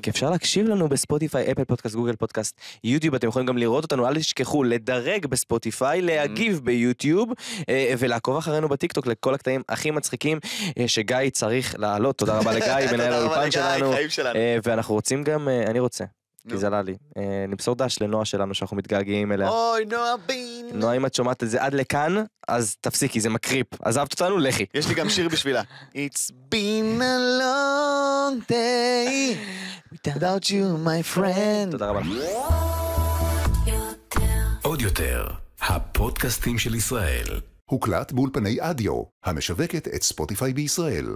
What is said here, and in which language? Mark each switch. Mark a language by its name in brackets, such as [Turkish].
[Hebrew] אפשר להקשיב לנו בספוטיפיי, אפל פודקאסט, גוגל פודקאסט, יוטיוב, אתם יכולים גם לראות אותנו, אל תשכחו, לדרג בספוטיפיי, להגיב ביוטיוב, ולעקוב אחרינו בטיקטוק, לכל הקטעים הכי מצחיקים, שגיא צריך להעלות. תודה רבה לגיא, מנהל האולפן שלנו. ואנחנו רוצים גם, אני רוצה. כי זה עלה לי. נמסור דש לנועה שלנו שאנחנו מתגעגעים אליה. אוי, נועה בין. נועה, אם את שומעת את זה עד לכאן, אז תפסיקי, זה מקריפ. עזבת אותנו, לכי. יש לי גם שיר בשבילה. [English] It's been a long day without you, my friend. [Hebrew] תודה רבה. עוד יותר, הפודקאסטים של ישראל. הוקלט באולפני אדיו, המשווקת את ספוטיפיי בישראל.